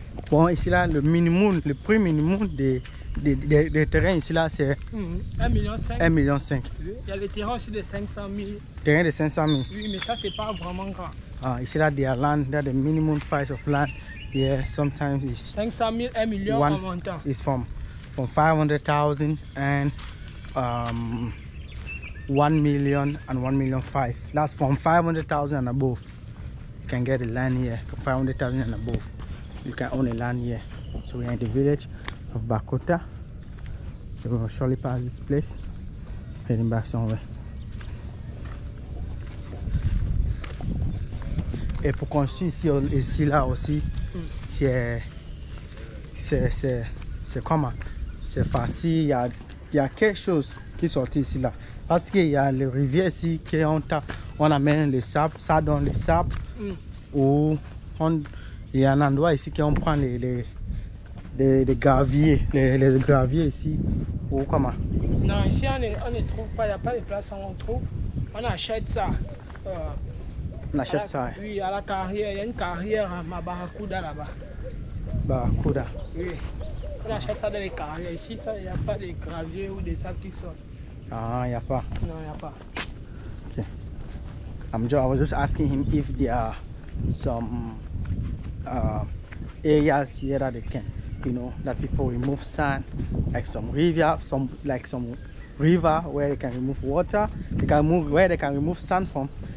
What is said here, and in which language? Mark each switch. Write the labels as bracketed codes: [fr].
[fr] Bon, ici là, le minimum, le prix minimum des terrains ici là, c'est 1,5 million. Il y a des terrains aussi de 500 000. Terrain de 500 000. Oui, mais ça, c'est pas vraiment grand. [en] You see that their land, that the minimum price of land here, yeah, sometimes it's 500,000 is from 500,000 and 1 million and 1,000,005. That's from 500,000 and above. You can get a land here from 500,000 and above. You can own a land here. So we're in the village of Bakota. We will surely pass this place, heading back somewhere. [fr] Et pour construire ici, là aussi, c'est comment? C'est facile, il y a quelque chose qui sort ici, là. Parce qu'il y a les rivières ici, qu'on amène le sable, ça donne le sable. Ou il y a un endroit ici qu'on prend les graviers, les graviers ici. Ou comment? Non, ici on ne trouve pas, il n'y a pas de place où on trouve. On achète ça. On achète ça. Oui, à la carrière, il y a une carrière à ma Barracuda là-bas. Barracuda. Oui. On achète ça dans les carrières. Ici, ça, il n'y a pas de gravier ou de sable qui sort. Ah, il n'y a pas. Non, il n'y a pas. Ok. [en] I was just asking him if there are some areas here that they can, you know, that people remove sand, like some river where they can remove water, they can move where they can remove sand from.